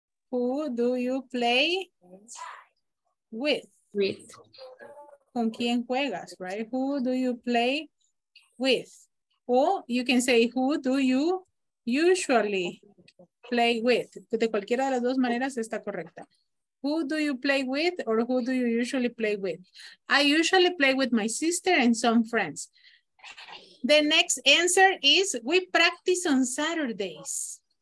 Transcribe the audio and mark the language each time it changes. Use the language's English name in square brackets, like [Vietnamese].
[English] Who do you play with? With. [Spanish] ¿Con quién juegas, [English] right? Who do you play with? Or you can say, who do you usually play with? [Spanish] De cualquiera de las dos maneras está correcta. [English] Who do you play with, or who do you usually play with? I usually play with my sister and some friends. The next answer is, we practice on Saturdays.